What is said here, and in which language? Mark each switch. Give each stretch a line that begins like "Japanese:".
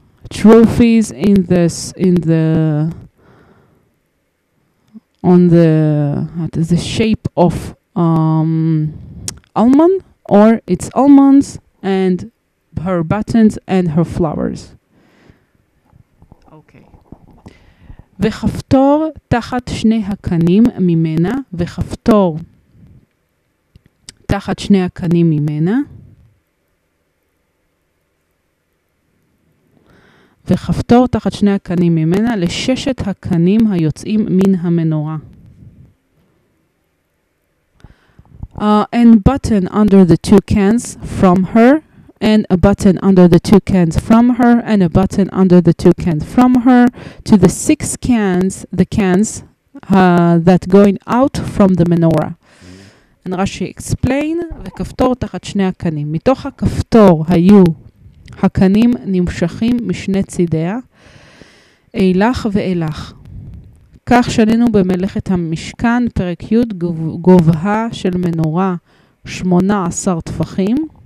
English: trophies in this, in the, on the, what is the shape of almond, or it's almonds and her buttons and her flowers. Okay.
Hebrew: וכפתור תחת שני הקנים ממנה, וכפתור תחת שני הקנים ממנה, וחפתור תחת שני הקנים ממנה לששת הקנים היוצאים מן המנורה.
English: And button under the two cans from her, and a button under the two cans from her, and a button under the two cans from her, to the six cans, the cans that going out from the menorah. And Rashi explain,
Hebrew: וכפתור תחת שני הקנים. מתוך הכפתור היו הקנים נמשכים משני צידיה, אילך ואילך. כך שנינו במלאכת המשכן, פרק י' גובהה של מנורה 18 טפחים.